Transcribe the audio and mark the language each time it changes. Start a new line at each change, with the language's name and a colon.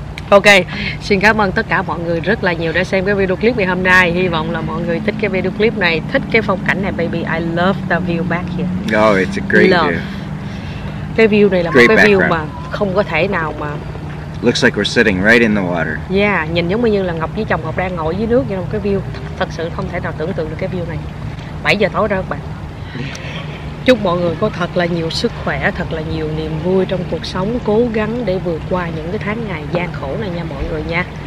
Vietnamese: Ok, xin cảm ơn tất cả mọi người rất là nhiều đã xem cái video clip ngày hôm nay. Hy vọng là mọi người thích cái video clip này, thích cái phong cảnh này.
English: Baby, I love the view back here. Oh, it's a great view.
Vietnamese: Cái view này là great một cái background. View mà không có thể nào mà...
English: Looks like we're sitting right in the water.
Vietnamese: Yeah, nhìn giống như là Ngọc với chồng Ngọc đang ngồi dưới nước. Nhưng mà cái view thật sự không thể nào tưởng tượng được cái view này. 7 giờ tối rồi các bạn. Chúc mọi người có thật là nhiều sức khỏe, thật là nhiều niềm vui trong cuộc sống, cố gắng để vượt qua những cái tháng ngày gian khổ này nha mọi người nha.